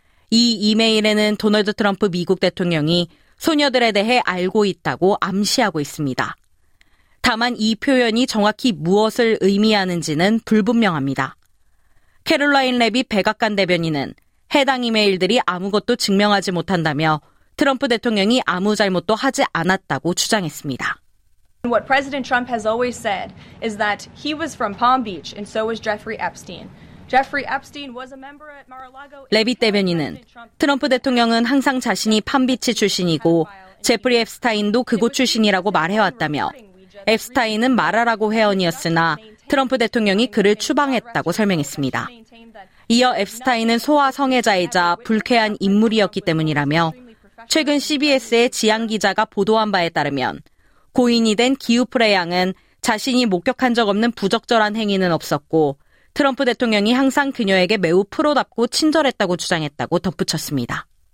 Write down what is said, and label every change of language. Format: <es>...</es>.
<ko>이 이메일에는 도널드 트럼프 미국 대통령이 소녀들에 대해 알고 있다고 암시하고 있습니다. 다만 이 표현이 정확히 무엇을 의미하는지는 불분명합니다. 캐롤라인 레빗 백악관 대변인은 해당 이메일들이 아무것도 증명하지 못한다며 트럼프 대통령이 아무 잘못도 하지 않았다고 주장했습니다.</ko> <en>What President Trump has always said is that he was from Palm Beach and so was Jeffrey Epstein. Jeffrey Epstein was a member at Mar-a-Lago.</en> <ko>레빗 대변인은 트럼프 대통령은 항상 자신이 팜비치 출신이고 제프리 엡스타인도 그곳 출신이라고 말해왔다며 엡스타인은 마라라고 회원이었으나 트럼프 대통령이 그를 추방했다고 설명했습니다. 이어 엡스타인은 소아성애자이자 불쾌한 인물이었기 때문이라며 최근 CBS의 지향 기자가 보도한 바에 따르면 고인이 된 기우프레양은 자신이 목격한 적 없는 부적절한 행위는 없었고 트럼프 대통령이 항상 그녀에게 매우 프로답고 친절했다고 주장했다고 덧붙였습니다.</ko>